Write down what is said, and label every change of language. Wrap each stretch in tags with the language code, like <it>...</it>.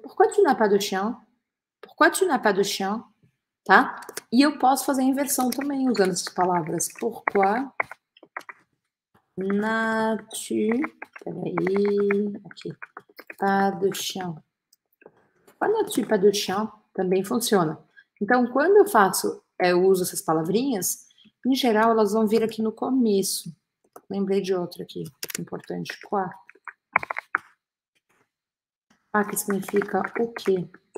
<fr>Pourquoi tu n'as pas de chien? Pourquoi tu n'as pas de chien?</fr> <pt>Tá? E eu posso fazer a inversão também usando essas palavras.</pt> <fr>Pourquoi n'as-tu,</fr> <pt>peraí, aqui,</pt> <fr>pas de chien? Pourquoi n'as-tu pas de chien?</fr> <pt>Também funciona. Então, quando eu faço, eu uso essas palavrinhas, em geral elas vão vir aqui no começo. Lembrei de outra aqui, importante. Qua. Qua que significa o quê?</pt>